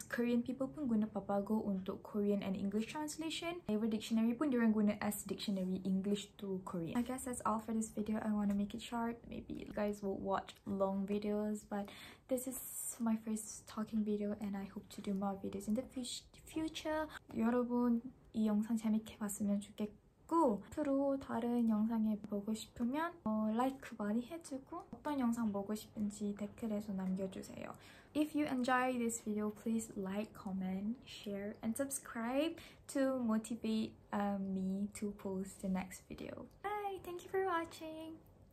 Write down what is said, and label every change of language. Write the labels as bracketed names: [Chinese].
[English] Korean people [Malay] pun guna [English] Papago [Malay] untuk [English] Korean and English translation. Naver Dictionary [Malay] pun diorang guna [English] as dictionary English to Korean. I guess that's all for this video. I want to make it short. Maybe you guys will watch long videos, but this is my first talking video and I hope to do more videos in the future. [Korean] 여러분 이 영상 재밌게 봤으면 좋겠고 앞으로 다른 영상에 보고 싶으면 like 많이 해주고 어떤 영상 보고 싶은지 댓글에서 남겨주세요. [English] If you enjoy this video, please like, comment, share, and subscribe to motivate me to post the next video. Bye! Thank you for watching!